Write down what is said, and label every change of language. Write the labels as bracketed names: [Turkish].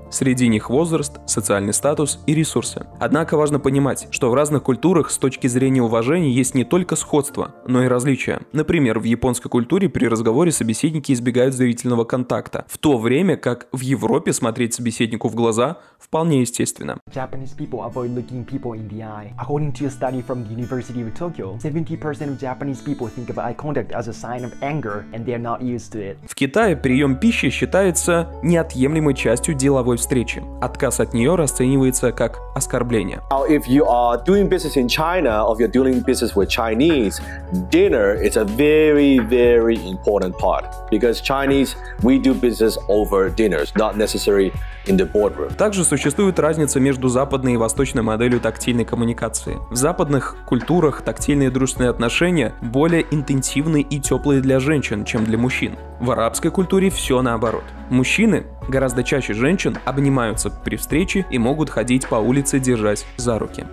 [Russian] Среди них возраст, социальный статус и ресурсы. Однако важно понимать, что в разных культурах с точки зрения уважения есть не только сходство, но и различия. Например, в японской культуре при разговоре собеседники избегают зрительного контакта, в то время как в Европе смотреть собеседнику в глаза вполне естественно. [English] Japanese people avoid looking people in the eye. According to a study from the University of Tokyo, 70% of Japanese people think of eye contact as a sign of anger, and they're not used to it. [Russian] В Китае прием пищи считается неотъемлемой частью деловой встречи. Отказ от нее расценивается как оскорбление. [English] Now, if you are doing business in China or you're doing business with Chinese, dinner is a very, very important part because Chinese we do business over dinners, not necessarily in the boardroom. [Russian] Также существует разница между западной и восточной моделью тактильной коммуникации. В западных культурах тактильные дружественные отношения более интенсивны и теплые для женщин, чем для мужчин. В арабской культуре все наоборот. Мужчины гораздо чаще женщин обнимаются при встрече и могут ходить по улице, держась за руки.